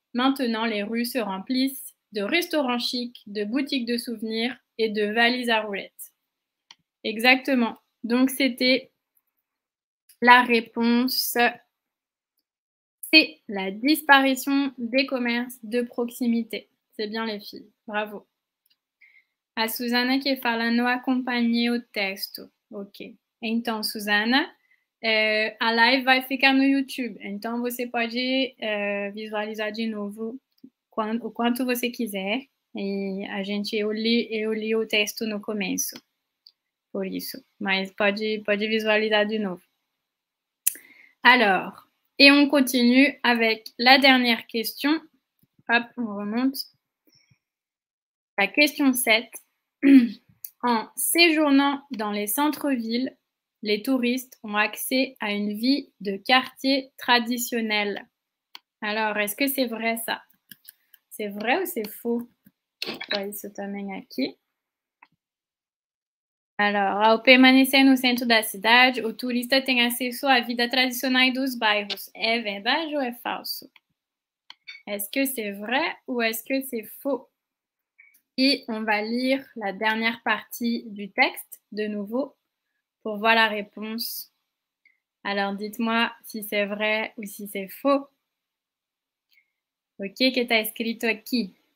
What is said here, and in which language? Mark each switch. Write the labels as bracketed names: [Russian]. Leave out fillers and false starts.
[French] Maintenant, les rues se remplissent de restaurants chics, de boutiques de souvenirs et de valises à roulettes. Exactement. Donc, c'était la réponse C, la disparition des commerces de proximité. C'est bien les filles. Bravo. À Susanna qui est [Portuguese] falando [French] accompagné au texte. Ok. [Portuguese] Então, Susanna, a live vai ficar no YouTube. Então, você pode visualizar de novo o quanto você quiser. E a gente, eu li o texto no começo. Por isso. Mas pode visualizar de novo. [French] Alors, et on continue avec la dernière question. Hop, on remonte. La question 7. En séjournant dans les centres-villes, les touristes ont accès à une vie de quartier traditionnel. Alors, est-ce que c'est vrai ça? C'est vrai ou c'est faux? [Portuguese] Pois isso também aqui. Alors, ao permanecer no centro da cidade, o turista tem acesso à vida tradicional dos bairros. É verdade ou é falso? [French] Est-ce que c'est vrai ou est-ce que c'est faux? Et on va lire la dernière partie du texte de nouveau pour voir la réponse. Alors, dites-moi si c'est vrai ou si c'est faux. Ok, [Portuguese] que t'as escrito aqui?